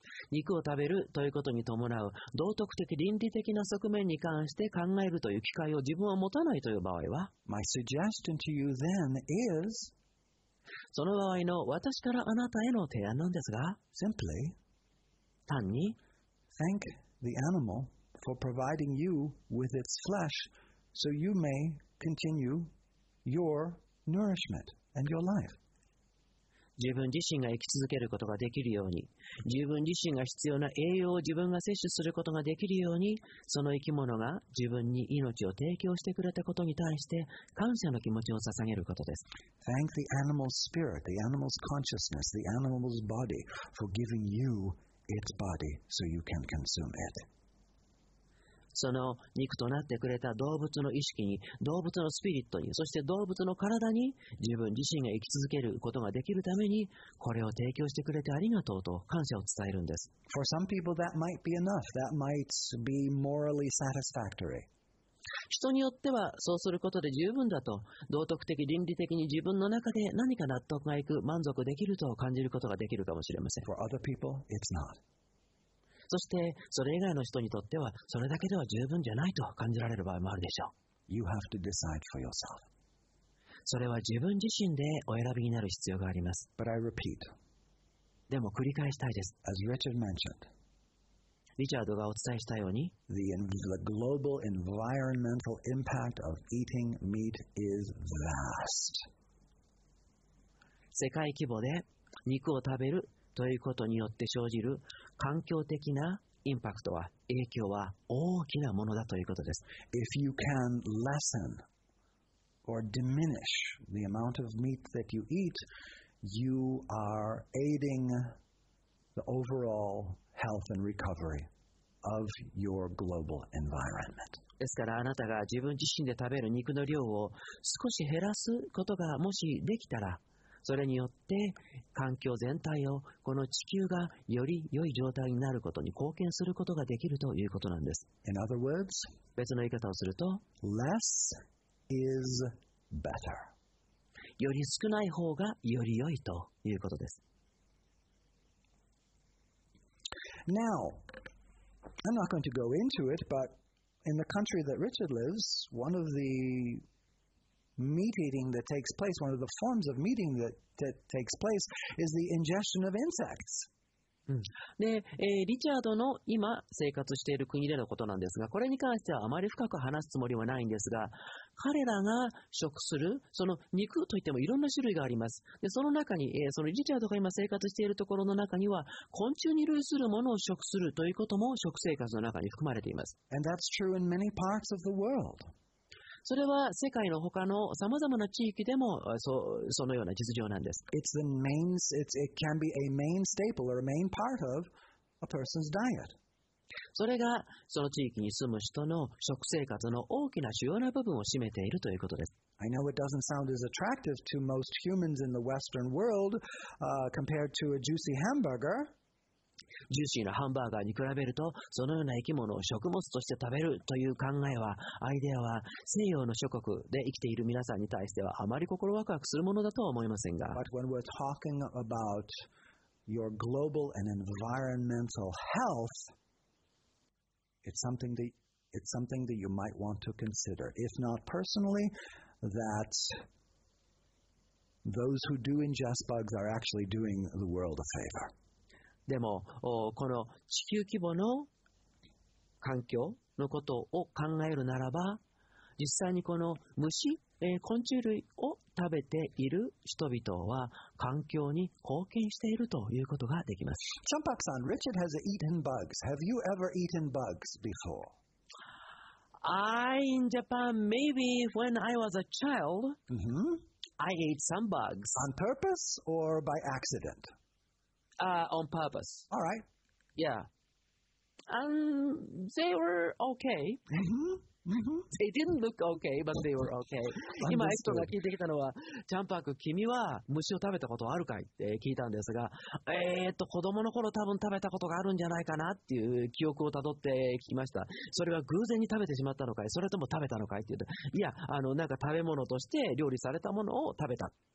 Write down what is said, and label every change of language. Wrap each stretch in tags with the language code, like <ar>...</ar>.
<ja>肉を食べるということに伴う道徳的倫理的な側面に関して考えるという機会を自分は持たないという場合は、</ja> <en>My suggestion to you then is,</en> <ja>その場合の私からあなたへの提案なんですが、</ja> <en>Simply,</en> <ja>単に</ja> <en>Thank the animal for providing you with its flesh so you may continue your nourishment and your life.</en> <ja>自分自身が生き続けることができるように、自分自身が必要な栄養を自分が摂取することができるように、その生き物が自分に命を提供してくれたことに対して感謝の気持ちを捧げることです。</ja> <en>Thank the animal's spirit, the animal's consciousness, the animal's body for giving you its body so you can consume it.</en> <ja>その肉となってくれた動物の意識に、動物のスピリットに、そして動物の体に、自分自身が生き続けることができるために、これを提供してくれてありがとうと感謝を伝えるんです。</ja> <en>For some people, that might be enough. That might be morally satisfactory.</en> <ja>人によっては、そうすることで十分だと、道徳的、倫理的に自分の中で何か納得がいく、満足できると感じることができるかもしれません。</ja> <en>For other people, it's not.</en> <ja>そしてそれ以外の人にとってはそれだけでは十分じゃないと感じられる場合もあるでしょう。</ja> <en>You have to decide for yourself.</en> <ja>それは自分自身でお選びになる必要があります。</ja> <en>But I repeat.</en> <ja>でも繰り返したいです。</ja> <en>As Richard mentioned,</en> <ja>リチャードがお伝えしたように、</ja> <en>The global environmental impact of eating meat is vast.</en> <ja>世界規模で肉を食べるということによって生じる環境的なインパクトは、影響は大きなものだということです。</ja> <en>If you can lessen or diminish the amount of meat that you eat, you are aiding the overall health and recovery of your global environment.</en> <ja>ですからあなたが自分自身で食べる肉の量を少し減らすことがもしできたら、それによって環境全体をこの地球がより良い状態になることに貢献することができるということなんです。</ja> <en>In other words,</en> <ja>別の言い方をすると、</ja> <en>less is better.</en> <ja>より少ない方がより良いということです。</ja> <en>Now, I'm not going to go into it, but in the country that Richard lives, one of theMeat eating that takes place, one of the forms of meeting that takes place is the ingestion of insects.、</en> <ja>うん、で、リチャードの今生活している国でのことなんですが、これに関してはあまり深く話すつもりはないんですが、彼らが食するその肉といってもいろんな種類があります。で、その中に、そのリチャードが今生活しているところの中には、昆虫に類するものを食するということも食生活の中に含まれています。</ja> <en>And that's true in many parts of the world.</en> <ja>それは世界の他のさまざまな地域でもそのような実情なんです。</ja> <en>It's the main, it can be a main staple or a main part of a person's diet.</en> <ja>それがその地域に住む人の食生活の大きな主要な部分を占めているということです。</ja> <en>I know it doesn't sound as attractive to most humans in the Western world, compared to a juicy hamburger.</en> <ja>ジューシーなハンバーガーに比べると、そのような生き物を食物として食べるという考えは、アイデアは西洋の諸国で生きている皆さんに対してはあまり心ワクワクするものだとは思いませんが。</ja> <en>But when we're talking about your global and environmental health, it's something that you might want to consider. If not personally, that those who do ingest bugs are actually doing the world a favor.</en> <ja>でもこの地球規模の環境のことを考えるならば、実際にこの虫、昆虫類を食べている人々は環境に貢献しているということができます。</ja> <en>チャンパクさん、Richard has eaten bugs. Have you ever eaten bugs before? I in Japan, maybe when I was a child,、 mm-hmm. I ate some bugs. On purpose or by accident? On purpose. All right. Yeah. And they were okay. They didn't look okay, but they were okay.</en> <ja>今、エストが聞いてきたのは、チャンパク、君は虫を食べたことあるかいって聞いたんですが、子供の頃多分食べたことがあるんじゃないかなっていう記憶をたどって聞きました。それは偶然に食べてしまったのかい、それとも食べたのかいって言って、いや、なんか食べ物として料理されたものを食べた。</ja>